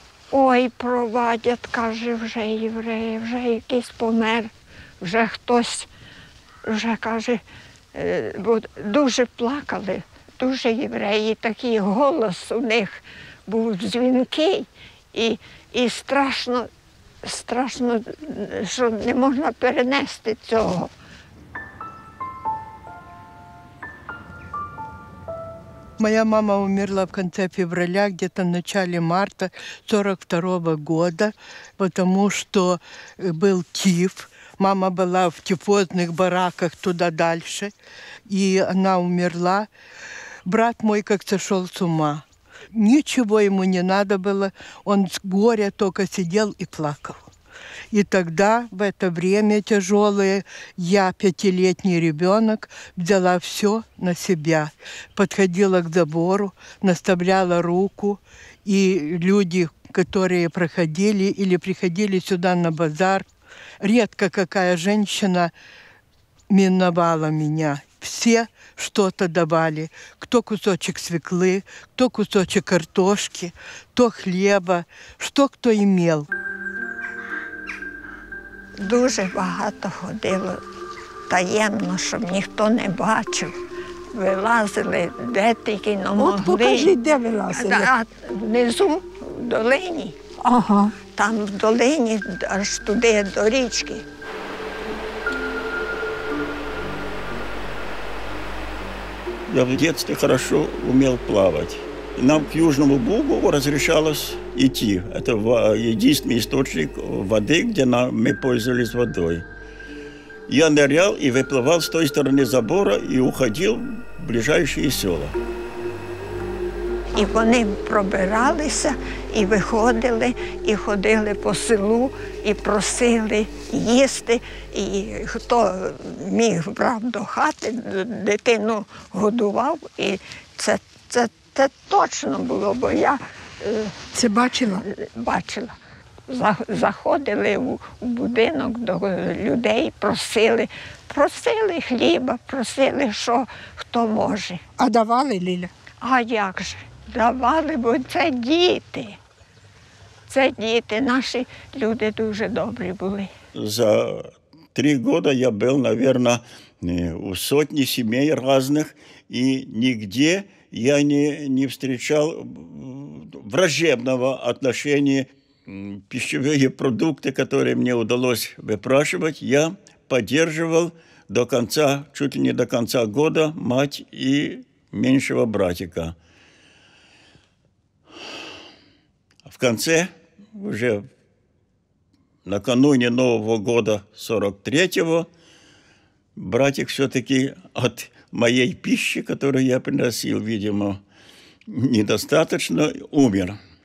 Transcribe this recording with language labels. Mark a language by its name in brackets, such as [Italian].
[Ukrainian] Ой, провадять, каже, вже євреї, вже якийсь помер, вже хтось, вже, каже, дуже плакали, дуже євреї, такий голос у них був дзвінкий і страшно, страшно, що не можна перенести цього. [Russian] Моя мама умерла в конце февраля, где-то в начале марта 42-го года, потому что был тиф. Мама была в тифозных бараках туда дальше, и она умерла. Брат мой как сошел с ума. Ничего ему не надо было, он с горя только сидел и плакал. И тогда, в это время тяжелое, я, 5-летний ребенок, взяла все на себя. Подходила к забору, наставляла руку, и люди, которые проходили или приходили сюда на базар, редко какая женщина миновала меня. Все что-то давали. Кто кусочек свеклы, кто кусочек картошки, то хлеба, что кто имел. [Ukrainian] Дуже багато ходило таємно, щоб ніхто не бачив, вилазили, де тільки не могли. От покажи, де вилазили. Да, внизу, в долині. Ага. Там в долині, аж туди, до річки. [Russian] Я в детстве хорошо умел плавать. Нам к Южному Бугу разрешалось идти. Это единственный источник воды, где мы пользовались водой. Я нырял и выплывал с той стороны забора и уходил в ближайшие села. И они пробирались, и выходили, и ходили по селу, и просили їсти. И кто мог, [Ukrainian] брав до хати, дитину годував. И це точно было, бо я... Це бачила? Бачила. Заходили в будинок до людей, просили. Просили хліба, просили, що хто може. А давали, Ліля? А як же? Давали, бо це діти. Це діти. Наші люди дуже добрі були. За 3 роки я був, наверное, у сотні сімей різних, і нігде я не зустрічав враждебного відношення. [Russian] Пищевые продукты, которые мне удалось выпрашивать, я поддерживал до конца, чуть ли не до конца года, мать и меньшего братика. В конце, уже накануне Нового года 43-го, братик все-таки от моей пищи, которую я приносил, видимо, недостаточно, умер.